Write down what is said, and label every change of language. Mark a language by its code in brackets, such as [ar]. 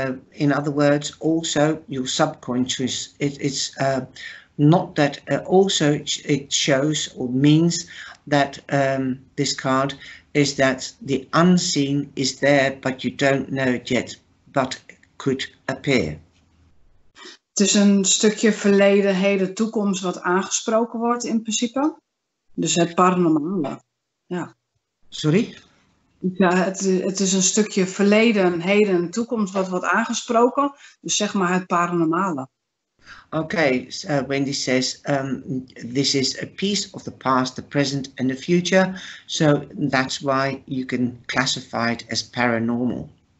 [en] In other words, also your subconscious. It's not that also it shows or means that this card is that the unseen is there, but you don't know it yet, but could appear. [nl] Het is een stukje verleden, heden, toekomst wat aangesproken wordt in principe. Dus het paranormale. Ja. [en] Sorry? [nl] Ja, het is een stukje verleden, heden, toekomst wat wordt aangesproken. Dus zeg maar het paranormale. [en] Okay, so Wendy says this is a piece of the past, the present and the future, so that's why you can classify it as paranormal.